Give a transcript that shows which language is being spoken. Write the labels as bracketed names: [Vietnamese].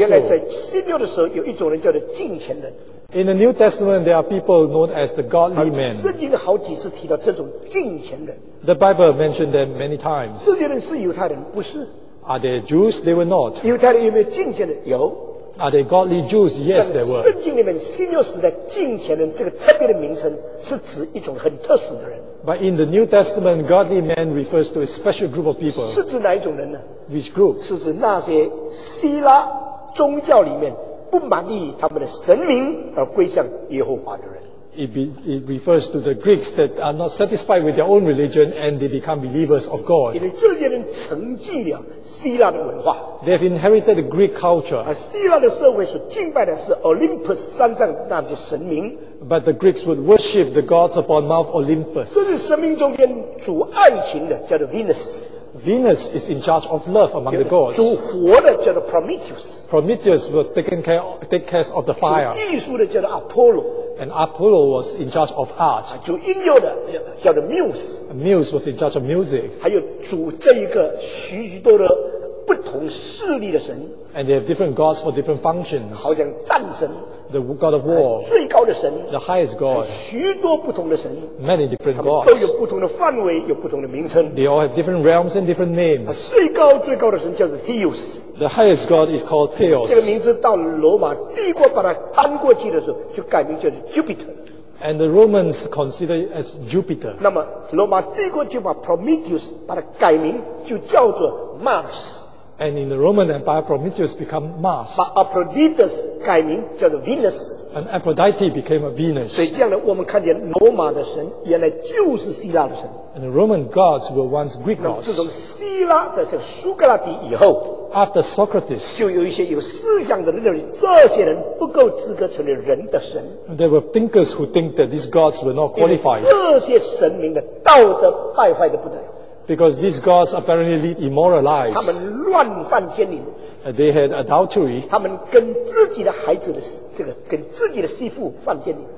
[Chinese] 原来在新约的时候，有一种人叫做敬虔人。 [English] In the New Testament, there are people known as the godly men. [Chinese] 圣经好几次提到这种敬虔人。 [English] The Bible mentioned them many times. [Chinese] 这些人是犹太人，不是。 [English] Are they Jews? They were not. [Chinese] 犹太人有没有敬虔的？有。 [English] Are they godly Jews? Yes, they were. [Chinese] 圣经里面新约时代敬虔人这个特别的名称是指一种很特殊的人。 [English] But in the New Testament, godly man refers to a special group of people. [Chinese] 是指哪一种人呢？ [English] Which group? [Chinese] 是指那些希腊宗教里面不满意他们的神明而归向耶和华的人。 [English] It refers to the Greeks that are not satisfied with their own religion and they become believers of God. [Chinese] 因为这些人承继了希腊的文化。 [English] They have inherited the Greek culture. [Chinese] 而希腊的社会所敬拜的是 Olympus 山上那些神明。 [English] But the Greeks would worship the gods upon Mount Olympus. [Chinese] 这是神明中间主爱情的叫做 Venus。 [English] Venus is in charge of love among the gods. [Chinese] 主活的叫做 Prometheus. [English] Prometheus will take care of the fire. [Chinese] 主艺术的叫做 Apollo. [English] And Apollo was in charge of art. [Chinese] 主音乐的叫做 Muse. [English] Muse was in charge of music. [Chinese] 还有主这一个许许多的不同势力的神。 [English] And they have different gods for different functions. [Chinese] 好像战神。 [English] The god of war. [Chinese] 最高的神。 [English] The highest god. [Chinese] 许多不同的神。 [English] Many different gods. [Chinese] 他们都有不同的范围，有不同的名称。 [English] They all have different realms and different names. [Chinese] 最高的神叫做 Theos. [English] The highest god is called Theos. [Chinese] 这个名字到罗马帝国把它搬过去的时候，就改名叫做 Jupiter. [English] And the Romans considered it as Jupiter. [Chinese] 那么罗马帝国就把 Prometheus 把它改名，就叫做 Mars. [English] And in the Roman Empire, Prometheus became Mars. [Chinese] 把 Aphrodite 改名叫做 Venus. [English] And Aphrodite became a Venus. [Chinese] 所以这样呢，我们看见罗马的神原来就是希腊的神。 [English] And the Roman gods were once Greek gods. [Chinese] 那么自从希腊的这个苏格拉底以后。 [English] After Socrates, [Chinese] 就有一些有思想的人认为这些人不够资格成为人的神。 [English] There were thinkers who think that these gods were not qualified. [Chinese] 这些神明的道德败坏的不得了。 [English] Because these gods apparently lead immoral lives. [Chinese] 他们乱犯奸淫。 [English] They had adultery. [Chinese] 他们跟自己的孩子的这个跟自己的媳妇犯奸淫。